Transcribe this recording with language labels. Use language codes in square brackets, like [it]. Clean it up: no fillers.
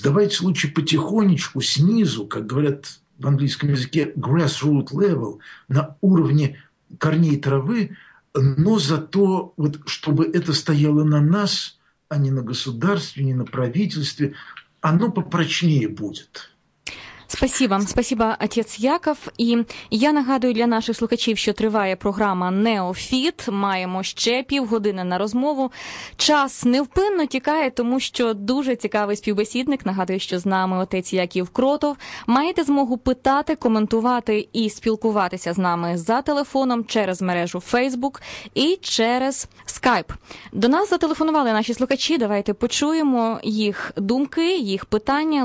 [ru] Давайте лучше потихонечку, снизу, как говорят в английском языке, [en] grassroot level, [ru] на уровне корней травы, но зато, вот, чтобы это стояло на нас, а не на государстве, не на правительстве, оно попрочнее будет. Спасибо. Спасибо, отец Яков. [uk] І я нагадую для наших слухачів, що триває програма «Неофіт». Маємо ще півгодини на розмову. Час невпинно тікає, тому що дуже цікавий співбесідник. Нагадую, що з нами отець Яків Кротов. Маєте змогу питати, коментувати і спілкуватися з нами за телефоном, через мережу Facebook і через Skype. До нас зателефонували наші слухачі. Давайте почуємо їх думки, їх питання.